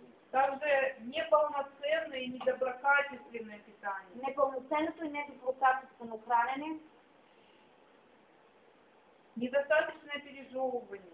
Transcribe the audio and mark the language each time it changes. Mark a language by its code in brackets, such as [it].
[bg] Также непълноценно и недоброкачественное питание. Непълноценното и недоброкачествено хранене. [ru] Недостаточное пережевывание.